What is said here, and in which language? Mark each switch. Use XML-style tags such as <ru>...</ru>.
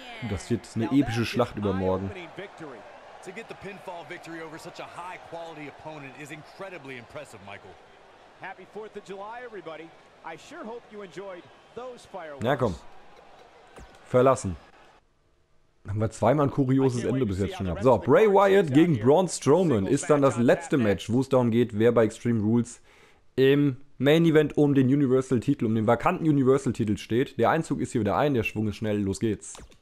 <de>Das wird eine epische Schlacht übermorgen.</de> <en>To get the pinfall victory over such a high-quality opponent is incredibly impressive, Michael. Happy 4th of July, everybody. I sure hope you enjoyed those fireworks.</en> <de>Na komm. Verlassen. Haben wir zweimal ein kurioses Ende bis jetzt schon gehabt. So, Bray Wyatt gegen Braun Strowman ist dann das letzte Match, wo es darum geht, wer bei Extreme Rules im Main Event um den Universal-Titel, um den vakanten Universal-Titel steht. Der Einzug ist hier wieder ein, der Schwung ist schnell, los geht's.</de>